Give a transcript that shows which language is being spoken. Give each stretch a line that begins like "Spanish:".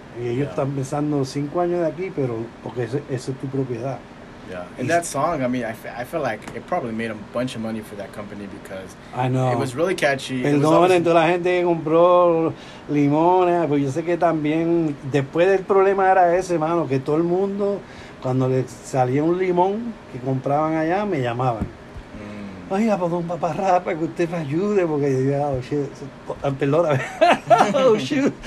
Spanish: Y ellos están pensando 5 años de aquí, pero porque eso es tu propiedad.
English: Yeah, and that song, I mean, I feel like it probably made a bunch of money for that company because I know it was really catchy.
Spanish: Perdón, toda la gente que compró limones, pues yo sé que también después del problema era ese, mano, que todo el mundo, cuando le salía un limón que compraban allá, me llamaban. Oiga, perdón, papá, rapa, que usted me ayude, porque yo dije,
English: oh, shit,
Spanish: perdón, a ver,
English: oh, shoot.